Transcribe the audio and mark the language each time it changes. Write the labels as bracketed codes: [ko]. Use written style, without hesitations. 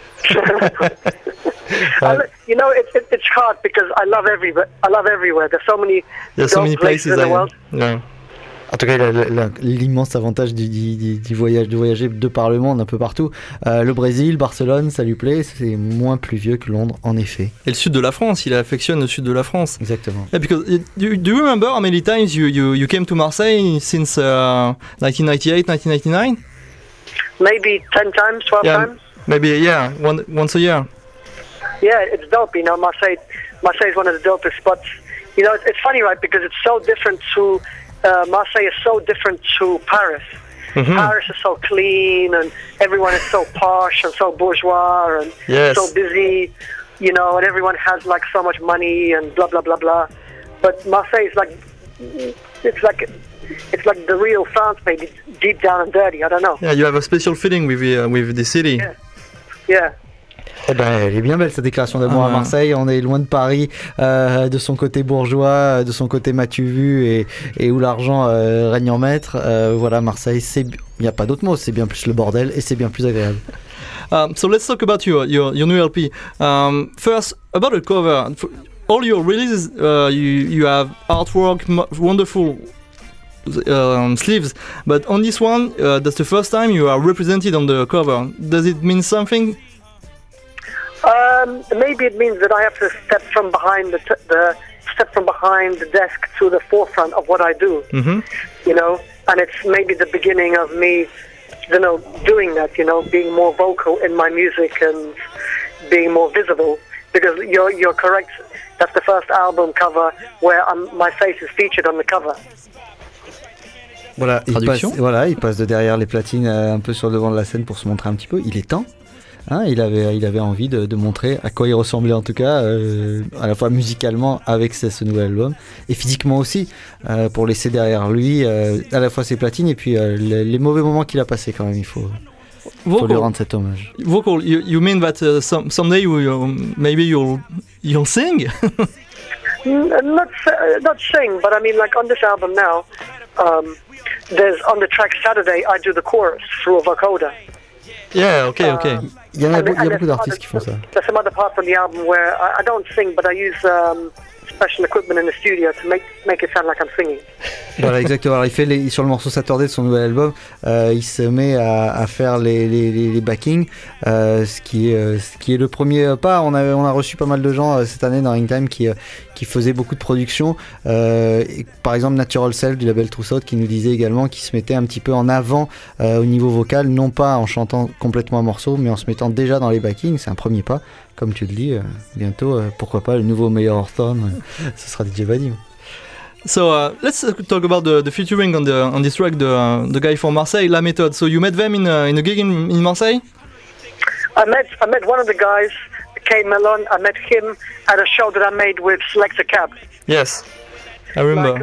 [en] You know, it's hard because I love everywhere. There's so many. There's so many places in the world. [fr] En tout cas, l'immense avantage du voyager de par le monde, un peu partout. Le Brésil, Barcelone, ça lui plaît. C'est moins pluvieux que Londres, en effet. Et le sud de la France, il affectionne le sud de la France. Exactement. [en] Yeah, because do you remember how many times you came to Marseille since 1998, 1999? Maybe 10 times, 12 yeah, times. Maybe a year, once a year. Yeah, it's dope, you know, Marseille is one of the dopest spots. You know, it's funny, right, because it's so different to, Marseille is so different to Paris. Mm-hmm. Paris is so clean, and everyone is so posh, and so bourgeois, and yes. So busy, you know, and everyone has, like, so much money, and blah, blah, blah, blah. But Marseille is like the real France, maybe, deep down and dirty, I don't know. Yeah, you have a special feeling with the city. Yeah. [fr] Eh ben, elle est bien belle, cette déclaration d'amour à Marseille. On est loin de Paris, de son côté bourgeois, de son côté m'as-tu vu, et où l'argent règne en maître. Voilà, Marseille, c'est, il n'y a pas d'autre mot, c'est bien plus le bordel et c'est bien plus agréable. [en] So let's talk about your new LP. First, about the cover. All your releases, you have artwork, wonderful sleeves. But on this one, that's the first time you are represented on the cover. Does it mean something? Maybe it means that I have to step from behind the desk to the forefront of what I do. Mm-hmm. You know, and it's maybe the beginning of me, you know, doing that. You know, being more vocal in my music and being more visible. Because you're correct. That's the first album cover where my face is featured on the cover. [fr] Voilà, il passe de derrière les platines un peu sur le devant de la scène pour se montrer un petit peu. Il est temps. Hein, il avait envie de montrer à quoi il ressemblait, en tout cas à la fois musicalement avec ce nouvel album et physiquement aussi, pour laisser derrière lui à la fois ses platines et puis les mauvais moments qu'il a passé quand même. Il faut lui rendre cet hommage. [en] Vocal, you mean that someday maybe you'll sing? not sing, but I mean, like on this album now, there's on the track Saturday, I do the chorus through a vocoder. Yeah, okay, okay. [fr] Il y a beaucoup d'artistes qui font ça. [en] There's some other parts on the album where I don't sing, but I use special equipment in the studio to make it sound like I'm singing. [fr] Voilà, exactement. Alors, sur le morceau Saturday de son nouvel album, il se met à faire les backings, ce qui est le premier pas. On a reçu pas mal de gens cette année dans Ringtime qui faisaient beaucoup de production. Par exemple, Natural Self du label Troussaud qui nous disait également qu'il se mettait un petit peu en avant au niveau vocal, non pas en chantant complètement un morceau, mais en se mettant déjà dans les backings. C'est un premier pas, comme tu le dis. Bientôt, pourquoi pas, le nouveau meilleur Orton, ce sera DJ Vadim. [en] So let's talk about the featuring on this track, the guy from Marseille, La Méthode. So you met them in a gig in Marseille? I met one of the guys, K Melon. I met him at a show that I made with Selector Cab. Yes, I remember.